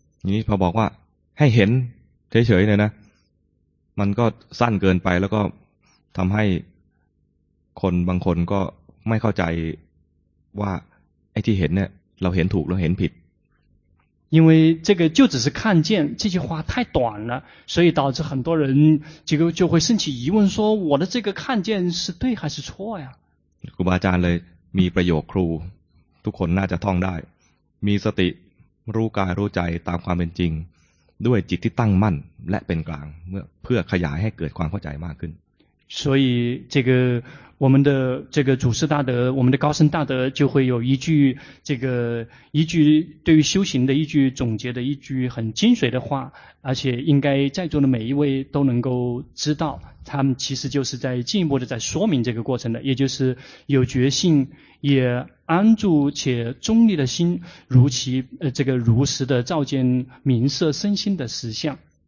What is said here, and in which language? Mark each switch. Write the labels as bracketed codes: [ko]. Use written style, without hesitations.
[zh] 你 [th] พอบอกว่าให้เห็นเฉยๆเนี่ยนะมันก็สั้นเกินไปแล้วก็ทำให้คนบางคนก็ไม่เข้าใจว่าไอ้ที่เห็นเนี่ยเราเห็นถูกเราเห็นผิด [zh] 因为这个就只是看见这句话太短了所以导致很多人就会升起疑问说我的这个看见是对还是错呀 [th] ครูบาอาจารย์เลยมีประโยคครูทุกคนน่าจะท่องได้มีสติรู้กายรู้ใจตามความเป็นจริงด้วยจิตที่ตั้งมั่นและเป็นกลางเพื่อขยายให้เกิดความเข้าใจมากขึ้น [zh] 所以这个我们的这个祖师大德我们的高僧大德就会有一句这个一句对于修行的一句总结的一句很精髓的话而且应该在座的每一位都能够知道他们其实就是在进一步的在说明这个过程的也就是有觉性也安住且中立的心如其这个如实的照见名色身心的实相